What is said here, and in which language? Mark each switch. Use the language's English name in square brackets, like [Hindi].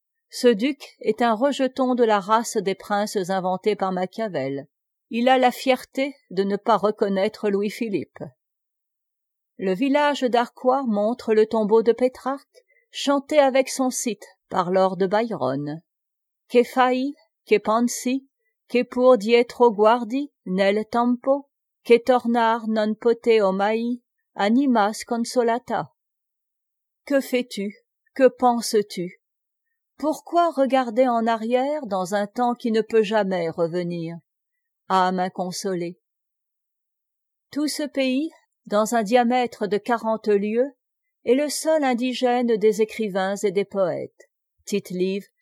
[French] Ce duc est un rejeton de la race des princes inventés par Machiavel. Il a la fierté de ne pas reconnaître Louis-Philippe. Le village d'Arcois montre le tombeau de Pétrarque, chanté avec son site par Lord Byron. [Italian] « Che fai, che pensi, che pur dietro guardi, nel tempo, che tornar non pote o mai, anima sconsolata. » [French] Que fais-tu? Que penses-tu? Pourquoi regarder en arrière dans un temps qui ne peut jamais revenir, âme inconsolée? Tout ce pays, dans un diamètre de 40 lieues, est le seul indigène des écrivains et des poètes. Tite-Live,